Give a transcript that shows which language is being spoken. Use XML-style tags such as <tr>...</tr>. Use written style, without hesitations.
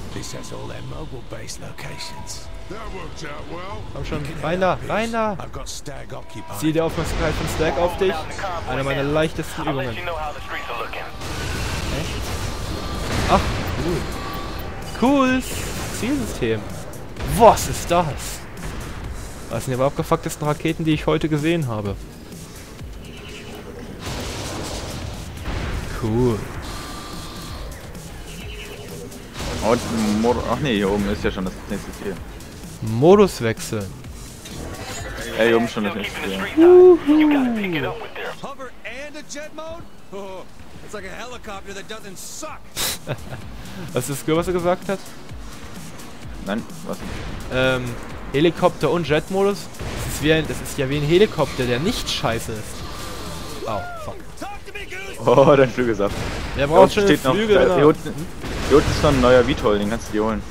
<en>This has all their mobile base locations.</en> <de>Komm schon, reiner. Sieh die Aufmerksamkeit von Stag auf dich. Eine meiner leichtesten Übungen. Echt? Ach, cool. Cooles Zielsystem. Was ist das? Das sind aber abgefucktesten Raketen, die ich heute gesehen habe. Cool. Und ach nee, hier oben ist ja schon das nächste Ziel. Modus wechseln. Ey, oben schon das nächste.</de> <en>Hover and a jet mode? It's like a helicopter that doesn't suck.</en> <de>Was ist das, was er gesagt hat? Nein, was? Helikopter und Jet Modus? Das ist ja wie ein Helikopter, der nicht scheiße ist. Oh, fuck. Oh, dein Flügel ist ab. Wer braucht schon einen Flügel? Hier unten ist noch ein neuer VTOL, den kannst du dir holen.</de>